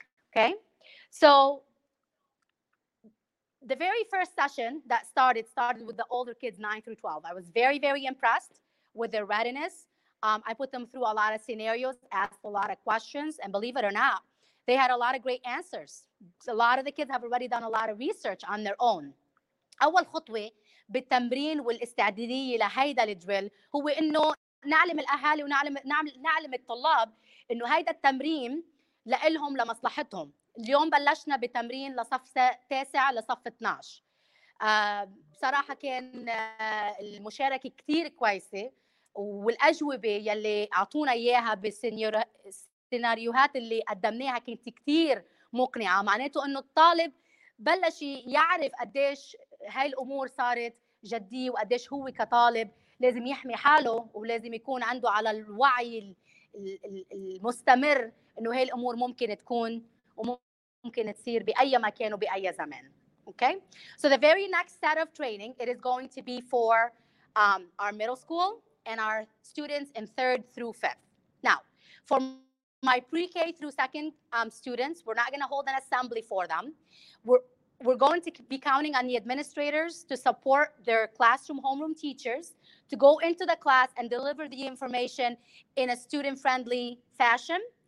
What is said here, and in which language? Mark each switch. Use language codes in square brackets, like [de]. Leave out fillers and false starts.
[en] Okay, so the very first session that started with the older kids, 9 through 12. I was very, very impressed with their readiness. I put them through a lot of scenarios, asked a lot of questions, and believe it or not, they had a lot of great answers. A lot of the kids have already done a lot of research on their own. [ar] أول خطوة بالتمرين والاستعدادية لهيدا الدريل هو إنه نعلم الأهالي ونعلم الطلاب إنه هيدا التمرين لإلهم لمصلحتهم. اليوم بلشنا بتمرين لصف 9 لصف 12. بصراحة كان المشاركة كتير كويسة، والأجوبة يلي أعطونا إياها بالسيناريوهات اللي قدمناها كانت كتير مقنعة، معناته أنه الطالب بلش يعرف قديش هاي الأمور صارت جدية وقديش هو كطالب لازم يحمي حاله ولازم يكون عنده على الوعي المستمر أنه هاي الأمور ممكن تكون ممكن تصير بأي مكان وبأي زمان. [en] Okay, so the very next set of training, it is going to be for our middle school and our students in 3rd through 5th. Now, for my pre-K through second students, we're not going to hold an assembly for them. We're going to be counting on the administrators to support their classroom homeroom teachers to go into the class and deliver the information in a student-friendly fashion.